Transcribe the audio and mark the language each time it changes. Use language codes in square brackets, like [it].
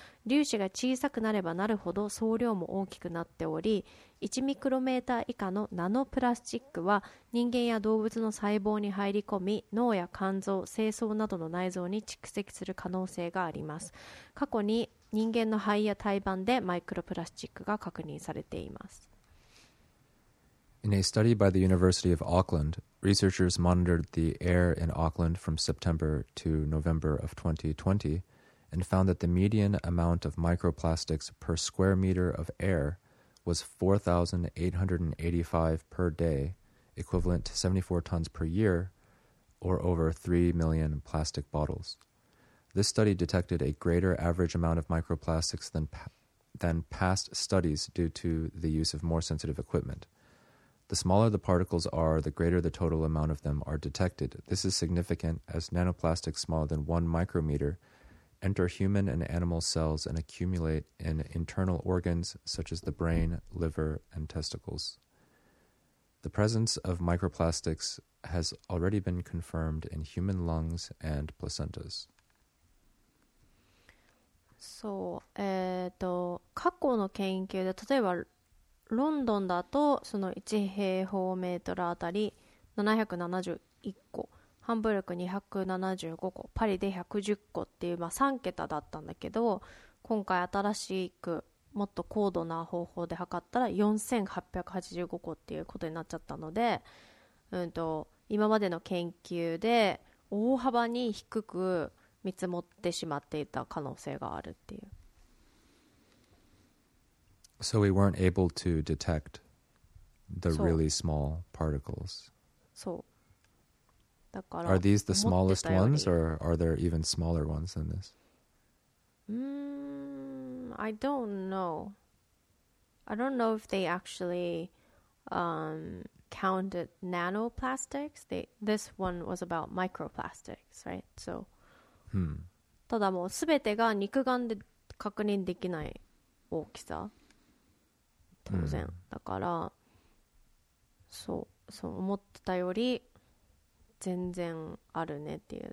[ja] 粒子が小さくなればなるほど総量も大きくなっており、1ミクロメーター以下のナノプラスチックは人間や動物の細胞に入り込み、脳や肝臓、精巣などの内臓に蓄積する可能性があります。過去に人間の肺や胎盤でマイクロプラスチックが確認されています。 [en] In a study by the University of Auckland, researchers monitored the air in Auckland from September to November of 2020 and found that the median amount of microplastics per square meter of air was 4,885 per day, equivalent to 74 tons per year, or over 3 million plastic bottles. This study detected a greater average amount of microplastics than past studies due to the use of more sensitive equipment. The smaller the particles are, the greater the total amount of them are detected. This is significant as nanoplastics smaller than 1 micrometer enter human and animal cells and accumulate in internal organs such as the brain, liver, and testicles. The presence of microplastics has already been confirmed in human lungs and placentas. [ja] そう、過去の研究で例えばロンドンだとその1平方メートルあたり771個、ハンブルク275個、パリで110個っていう、まあ、3桁だったんだけど、今回新しくもっと高度な方法で測ったら4885個っていうことになっちゃったので、今までの研究で大幅に低く見積もってしまっていた可能性があるっていう。 [en] So we weren't able to detect the really small particles. [ja] そう。だから、 [en] Are these the smallest ones or are there even smaller ones than this? I don't know. I don't know if they actually counted nanoplastics. This one was about microplastics, right? [ja] So, ただもうすべてが肉眼で確認できない大きさ。当然。だから、そう思ってたより全然あるねっていう。